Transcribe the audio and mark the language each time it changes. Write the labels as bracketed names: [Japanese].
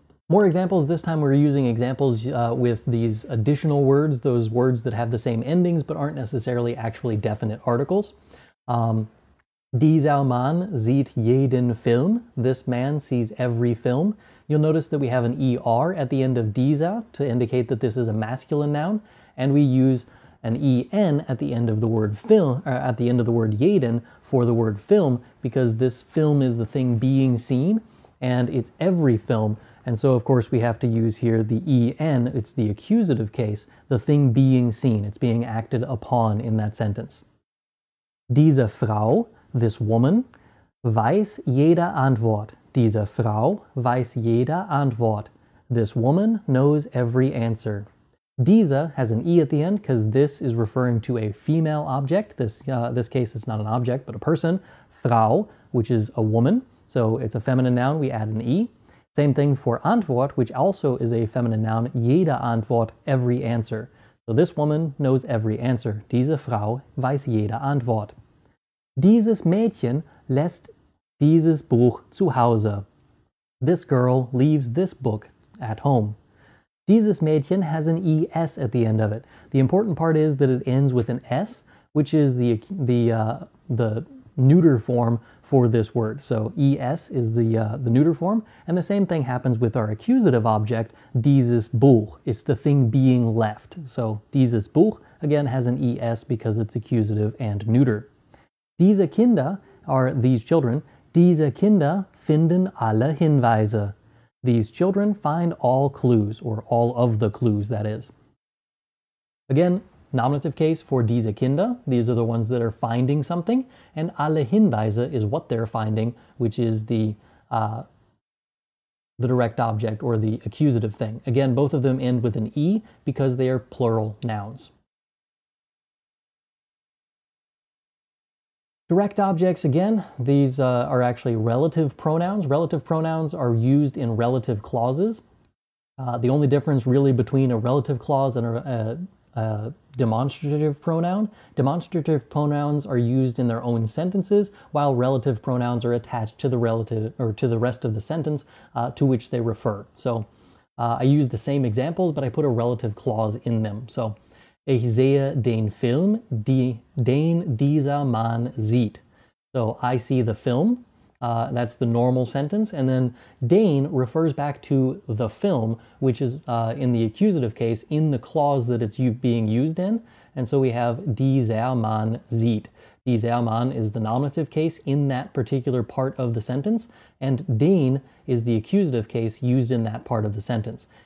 [English] More examples. This time we're using examples with these additional words, those words that have the same endings but aren't necessarily actually definite articles. [German] Dieser Mann sieht jeden Film. [English] This man sees every film. You'll notice that we have an ER at the end of dieser to indicate that this is a masculine noun, and we use an EN at the end of the word film, at the end of the word jeden for the word film, because this film is the thing being seen, and it's every film. And so, of course, we have to use here the EN, it's the accusative case, the thing being seen. It's being acted upon in that sentence. [German] Diese Frau, [English] this woman, [German] weiß jede Antwort. Diese Frau weiß jede Antwort. [English] This woman knows every answer. Diese has an E at the end because this is referring to a female object. This case, it's not an object, but a person. Frau, which is a woman. So it's a feminine noun, we add an E. Same thing for Antwort, which also is a feminine noun. Jede Antwort, every answer. So this woman knows every answer. [German] Diese Frau weiß jede Antwort. Dieses Mädchen lässt dieses Buch zu Hause. [English] This girl leaves this book at home. Dieses Mädchen has an ES at the end of it. The important part is that it ends with an S, which is the neuter form for this word. So ES is the neuter form. And the same thing happens with our accusative object, dieses Buch. It's the thing being left. So dieses Buch, again, has an ES because it's accusative and neuter. Diese Kinder are these children. [German] Diese Kinder finden alle Hinweise. [English] These children find all clues, or all of the clues, that is. Again, nominative case for diese Kinder. These are the ones that are finding something. And alle Hinweise is what they're finding, which is the direct object or the accusative thing. Again, both of them end with an E because they are plural nouns. Direct objects, again, these are actually relative pronouns. Relative pronouns are used in relative clauses. The only difference really between a relative clause and a demonstrative pronoun, demonstrative pronouns are used in their own sentences, while relative pronouns are attached to the relative or to the rest of the sentence to which they refer. So I use the same examples, but I put a relative clause in them. [German] So ich sehe den Film, den dieser Mann sieht. [English] So I see the film, that's the normal sentence, and then den refers back to the film, which is in the accusative case in the clause that it's being used in, and so we have dieser Mann sieht. Dieser Mann is the nominative case in that particular part of the sentence, and den is the accusative case used in that part of the sentence.